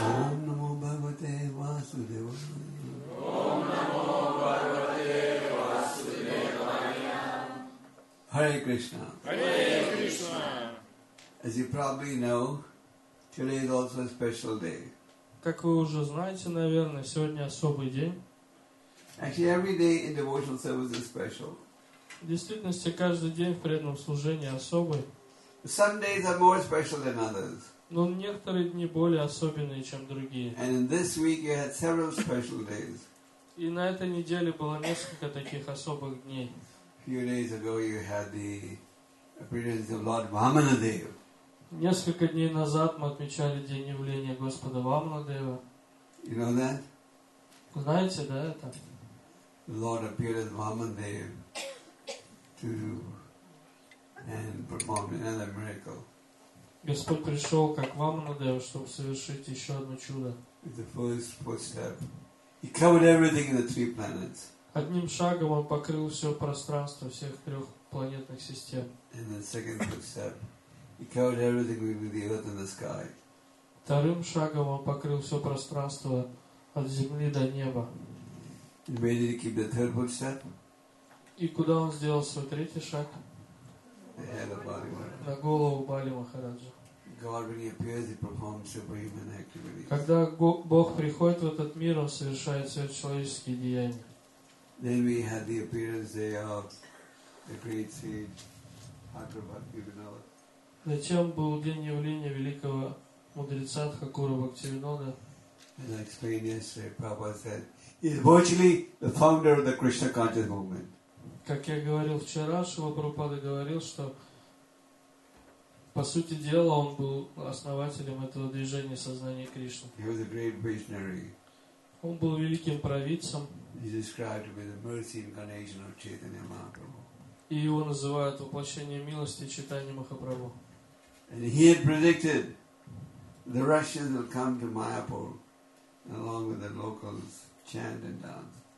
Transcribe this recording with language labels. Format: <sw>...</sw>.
<sa>Ом намо Бхагавате Васудевая. Ом намо Бхагавате Васудевая. Hare Krishna. Hare Krishna.</sa> <en>As you probably know, today is also a special day.</en> <ru>Как вы уже знаете, наверное, сегодня особый день.</ru> <en>Actually, every day in devotional service is special.</en> <ru>В действительности, каждый день в преданном служении особый.</ru> <en>Some days are more special than others.</en> <ru>Но некоторые дни более особенные, чем другие.</ru> <en>And in this week you had several special days.</en> <ru>И на этой неделе было несколько таких особых дней.</ru> <en>A few days ago you had the appearance of Lord Vamanadeva.</en> <ru>Несколько дней назад мы отмечали день явления Господа Вамнадева.</ru> <en>You know that?</en> <ru>Знаете, да, это?</ru> <en>The Lord appeared as Vamanadeva to do and perform another miracle.</en> <ru>Господь пришел как Вамнадева, чтобы совершить еще одно чудо.</ru> <en>The first footstep. He covered everything in the three planets.</en> <ru>Одним шагом он покрыл все пространство всех трех планетных систем.</ru> <en>And the second footstep. He covered everything between the earth and the sky.</en> <ru>Вторым шагом он покрыл все пространство от земли до неба.</ru> <en>And where did he keep the third footstep?</en> <ru>И куда он сделал свой третий шаг?</ru> <en>The head of Bali Maharaj.</en> <ru>На голову Бали Махараджа.</ru> <en>God, when he appears, he performs supreme and activities.</en> <ru>Когда Бог приходит в этот мир, он совершает сверхчеловеческие деяния.</ru> <en>Then we had the appearance there of the great sage Hakura Bhaktivinoda.</en> <ru>Затем был день явления великого мудреца Тхакура Бхактивинода.</ru> <en>As I explained yesterday, Prabhupada said, he's virtually the founder of the Krishna conscious movement.</en> <ru>Как я говорил вчера, Шрила Прабхупада говорил, что по сути дела он был основателем этого движения сознания Кришны.</ru> <en>He was a great visionary.</en> <ru>Он был великим провидцем.</ru> <en>He described him as the mercy incarnation of Chaitanya Mahaprabhu.</en> <ru>И его называют воплощение милости Чайтанья Махапрабху.</ru> <en>And he had predicted the Russians will come to Mayapur along with the locals chant and dance.</en>